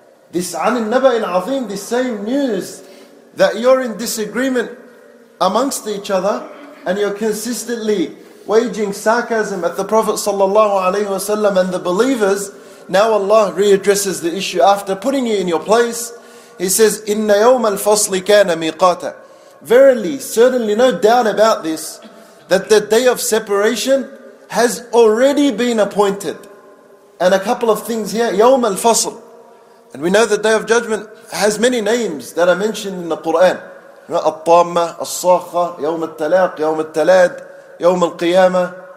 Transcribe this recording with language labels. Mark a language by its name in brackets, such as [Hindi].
[English] This [Arabic] عن النبأ العظيم, [English] this same news that you're in disagreement amongst each other and you're consistently waging sarcasm at the Prophet sallallahu alaihi wasallam and the believers, now Allah readdresses the issue after putting you in your place. He says, [Arabic] إِنَّ يَوْمَ الْفَصْلِ كَانَ مِيقَاتًا. [English] Verily, certainly no doubt about this, that the day of separation has already been appointed. And a couple of things here, [Arabic] يَوْمَ الْفَصْلِ. [English] And we know the Day of Judgment has many names that are mentioned in the Quran. Al-Tamma, Al-Sakha, Yawm Al-Talaq, Yawm Al-Talad, Yawm Al-Qiyamah,